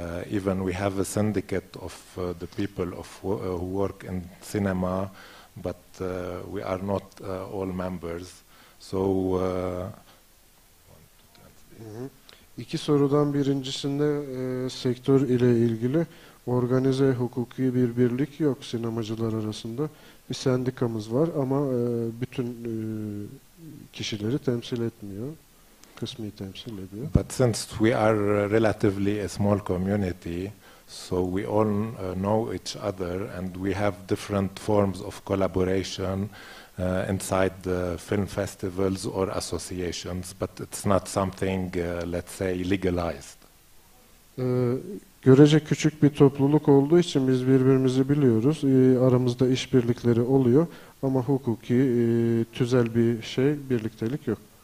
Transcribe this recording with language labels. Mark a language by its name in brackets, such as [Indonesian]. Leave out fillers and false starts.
[English] Even we have a syndicate of the people of who work in cinema, but we are not all members. So, [Turkish] İki sorudan birincisinde sektör ile ilgili organize hukuki bir birlik yok sinemacılar arasında. Bir sendikamız var ama bütün kişileri temsil etmiyor. kısmı temsil ediyor. [English] But since we are relatively a small community, so we all know each other and we have different forms of collaboration inside the film festivals or associations, but it's not something, let's say, legalized. [Turkish] Görece küçük bir topluluk olduğu için biz birbirimizi biliyoruz. Aramızda işbirlikleri oluyor ama hukuki tüzel bir şey, birliktelik yok.